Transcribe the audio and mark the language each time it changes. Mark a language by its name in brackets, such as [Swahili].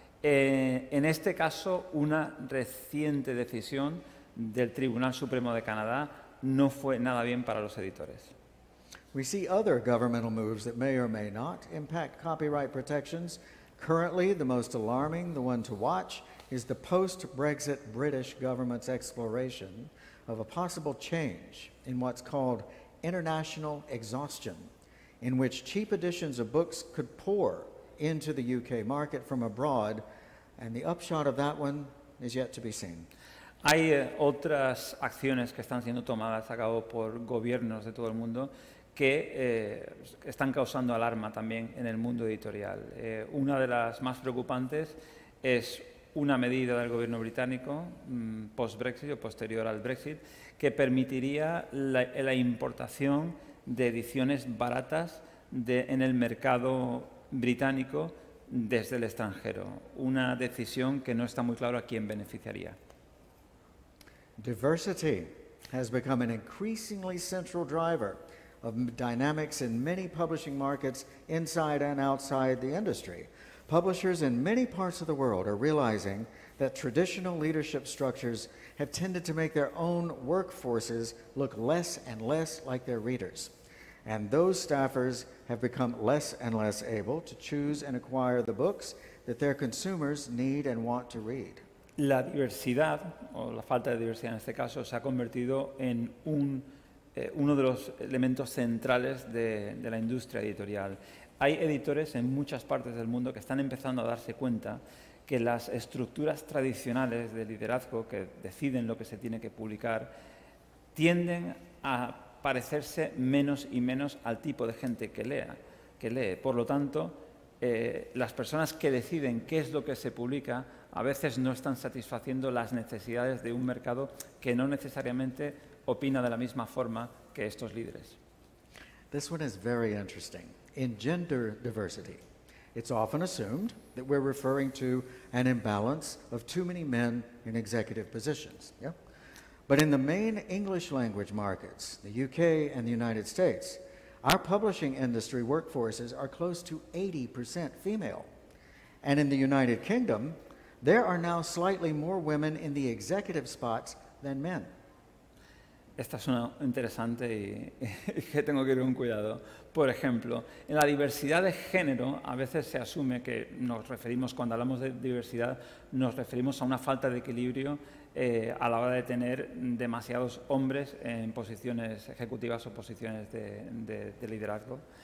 [Spanish] En este caso, una reciente decisión del Tribunal Supremo de Canadá no fue nada bien para los editores. [English] We see other governmental moves that may or may not impact copyright protections. Currently, the most alarming, the one to watch, is the post-Brexit British government's exploration of a possible change in what's called international exhaustion, in which cheap editions of books could pour into the UK market from abroad, and the upshot of that one is yet to be seen. [Spanish] Hay otras acciones que están siendo tomadas a cabo por gobiernos de todo el mundo que están causando alarma también en el mundo editorial. Una de las más preocupantes es una medida del gobierno británico post-Brexit o posterior al Brexit que permitiría la importación de ediciones baratas en el mercado británico desde el extranjero. Una decisión que no está muy claro a quién beneficiaría. [English] Diversity has become an increasingly central driver of dynamics in many publishing markets inside and outside the industry. Publishers in many parts of the world are realizing that traditional leadership structures have tended to make their own workforces look less and less like their readers. And those staffers have become less and less able to choose and acquire the books that their consumers need and want to read. [Spanish] La diversidad, o la falta de diversidad en este caso, se ha convertido en uno de los elementos centrales de la industria editorial. Hay editores en muchas partes del mundo que están empezando a darse cuenta que las estructuras tradicionales de liderazgo que deciden lo que se tiene que publicar tienden a parecerse menos y menos al tipo de gente que lee. Por lo tanto, las personas que deciden qué es lo que se publica a veces no están satisfaciendo las necesidades de un mercado que no necesariamente opina de la misma forma que estos líderes. [English] This one is very interesting. In gender diversity, it's often assumed that we're referring to an imbalance of too many men in executive positions. Yeah? But in the main English language markets, the UK and the United States, our publishing industry workforces are close to 80% female. And in the United Kingdom, there are now slightly more women in the executive spots than men. [Spanish] Esta suena interesante y que tengo que ir con cuidado. Por ejemplo, en la diversidad de género, a veces se asume que nos referimos, cuando hablamos de diversidad, nos referimos a una falta de equilibrio a la hora de tener demasiados hombres en posiciones ejecutivas o posiciones de liderazgo.